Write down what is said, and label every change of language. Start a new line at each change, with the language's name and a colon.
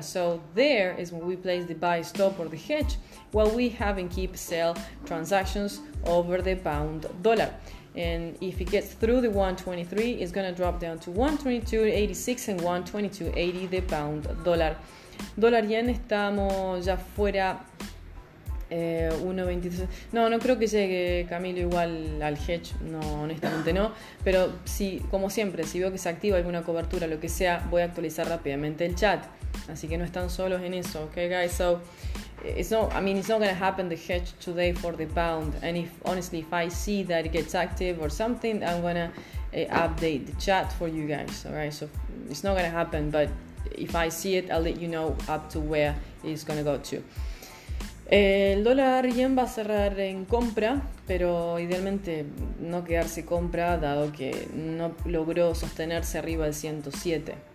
English: So, there is when we place the buy stop or the hedge, while we have and keep sell transactions over the pound dollar. And if it gets through the 1.23, it's going to drop down to 1.22.86 and 1.22.80, the pound dollar.
Spanish: Dólar yen, estamos ya fuera... 1.23. No creo que llegue Camilo igual al hedge, no, honestamente no, pero si, como siempre, si veo que se activa alguna cobertura, lo que sea, voy a actualizar rápidamente el chat, así que no están solos en eso.
English: Okay guys, so it's not gonna happen the hedge today for the pound, and if honestly if I see that it gets active or something, I'm gonna update the chat for you guys. All right, so it's not gonna happen, but if I see it, I'll let you know up to where it's gonna go to.
Spanish: El dólar yen va a cerrar en compra, pero idealmente no quedarse compra dado que no logró sostenerse arriba del 107.